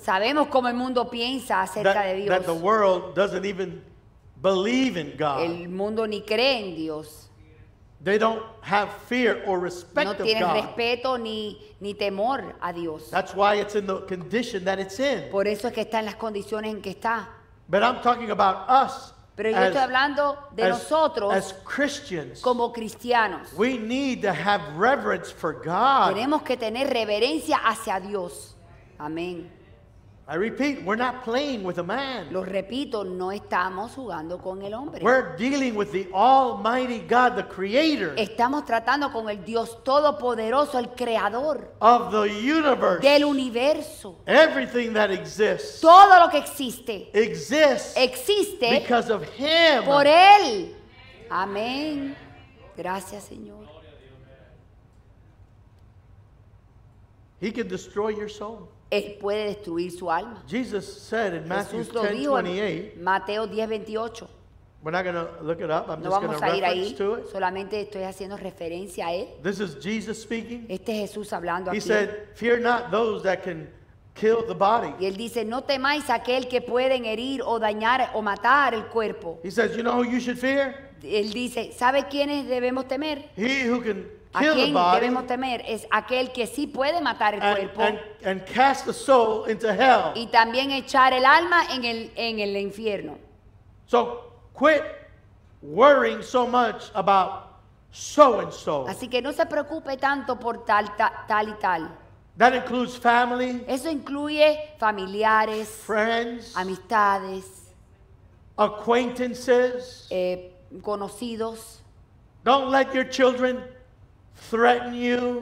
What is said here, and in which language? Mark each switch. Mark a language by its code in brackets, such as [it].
[es] Sabemos cómo el mundo piensa acerca [en] that, [es] de Dios. [en] That the world doesn't even believe in God. [es] El mundo ni cree en Dios. [en] They don't have fear or respect [es] no [en] of God. [es] No tienen respeto ni temor a Dios. [en] That's why it's in the condition that it's in. [es] Por eso es que está en las condiciones en que está. [en] But I'm talking about us. [es] Pero yo estoy hablando de nosotros [en] as Christians, [es] como cristianos. [en] We need to have reverence for God. [es] Tenemos que tener reverencia hacia Dios. Amén. [en] I repeat, we're not playing with a man. [es] Lo repito, no estamos jugando con el hombre. [en] We're dealing with the Almighty God, the Creator. [es] Estamos tratando con el Dios Todopoderoso, el Creador. [en] Of the universe. [es] Del universo. [en] Everything that exists. [es] Todo lo que existe. [en] Exists. [es] Existe. [en] Because of Him. [es] Por Él. Amén. Gracias, Señor. [en] He can destroy your soul. [es] Él puede destruir su alma. [en] Jesus said in Matthew 10:28. [es] Mateo 10:28. [en] We're not going to look it up. I'm [es] no [en] just going to reference [es] ahí. [en] To it. [es] Solamente estoy haciendo referencia a él. [en] This is Jesus speaking. [es] Este es Jesús hablando [en] He [es] aquí. [en] Said, "Fear not those that can kill the body." [es] Y él dice, "No temáis aquel que pueden herir o dañar o matar el cuerpo." [en] He says, "You know who you should fear?" [es] Él dice, "¿Sabe quiénes debemos temer?" [en] He who can [es] A quien debemos temer es aquel que sí puede matar el cuerpo [en] and cast the soul into hell. [es] Y también echar el alma en el infierno. [en] So quit worrying so much about so and so. [es] Así que no se preocupe tanto por tal y tal. [en] That includes family. [es] Eso incluye familiares, [en] friends, [es] amistades, [en] acquaintances, [es] conocidos. [en] Don't let your children threaten you.